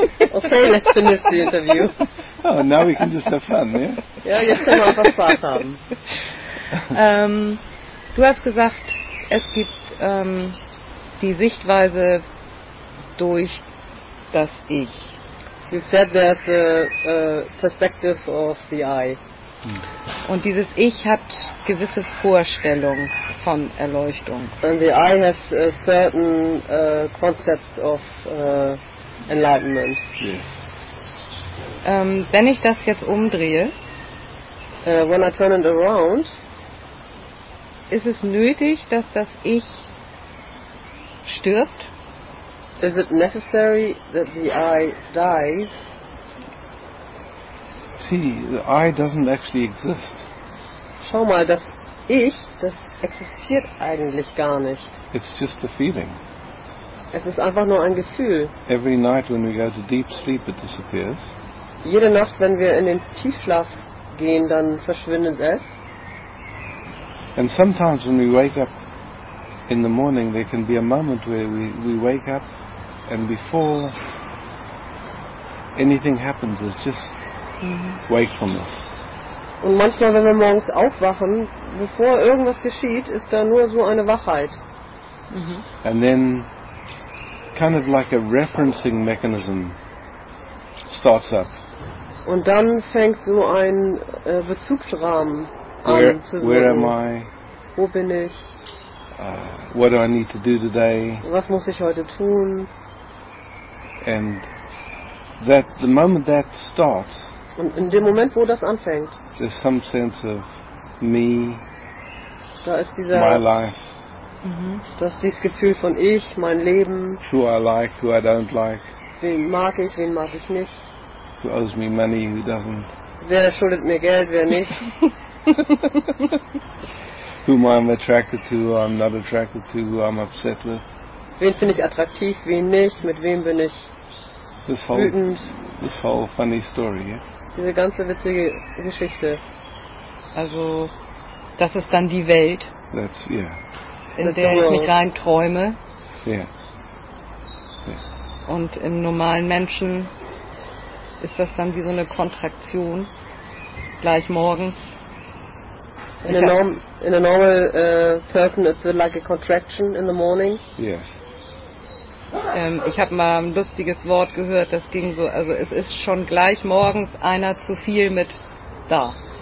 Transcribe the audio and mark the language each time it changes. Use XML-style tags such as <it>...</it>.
<en>Okay, let's finish the interview. Oh, now we can just have fun, yeah?</en> <de>Ja, jetzt können wir einfach Spaß haben. Du hast gesagt, es gibt die Sichtweise durch das Ich.</de> <en>You said there's a perspective of the I.</en> <de>Und dieses Ich hat gewisse Vorstellungen von Erleuchtung.</de> <en>And the I has certain concepts of enlightenment. Yes.</en> <de>Wenn ich das jetzt umdrehe,</de> <en>when I turn it around,</en> <de>ist es nötig, dass das Ich stirbt?</de> <en>Is it necessary that the I dies? See, the I doesn't actually exist.</en> <de>Schau mal, das Ich, das existiert eigentlich gar nicht.</de> <en>It's just a feeling.</en> <de>Es ist einfach nur ein Gefühl.</de> <en>Every night when we go to deep sleep, it disappears.</en> <de>Jede Nacht, wenn wir in den Tiefschlaf gehen, dann verschwindet es.</de> <en>And sometimes when we wake up in the morning, there can be a moment where we wake up, and before anything happens, it's just wakefulness.</en> <de>Und manchmal, wenn wir morgens aufwachen, bevor irgendwas geschieht, ist da nur so eine Wachheit.</de> <en>And then, kind of like a referencing mechanism starts up.</en> <de>Und dann fängt so ein Bezugsrahmen</de> <en>where,</en> <de>an zu sein.</de> <en>Where am I?</en> <de>Wo bin ich?</de> <en>What do I need to do today?</en> <de>Was muss ich heute tun?</de> <en>And that the moment that starts.</en> <de>Und in dem Moment, wo das anfängt.</de> <en>There's some sense of me.</en> <de>Da ist dieser.</de> <en>My life.</en> <de>Das ist dieses Gefühl von ich, mein Leben.</de> <en>Who I like, who I don't like.</en> <de>Wen mag ich, wen mag ich nicht?</de> <en>Who owes me money, who doesn't?</en> <de>Wer schuldet mir Geld, wer nicht?</de> <en>Whom I'm attracted to, who I'm not attracted to, who I'm upset with.</en> <de>Wen finde ich attraktiv, wen nicht, mit wem bin ich wütend.</de> <en>This whole funny story, yeah?</en> <de>Diese ganze witzige Geschichte. Also, das ist dann die Welt,</de> <en>that's, yeah.</en> <de>In der ich mich rein träume.</de> <en>Yeah.</en> <de>Und im normalen Menschen ist das dann wie so eine Kontraktion, gleich morgens.</de> <en>In a normal person, it's like a contraction in the morning. Yes.</en> <de>Ich habe mal ein lustiges Wort gehört, das ging so, also es ist schon gleich morgens einer zu viel mit da.</de>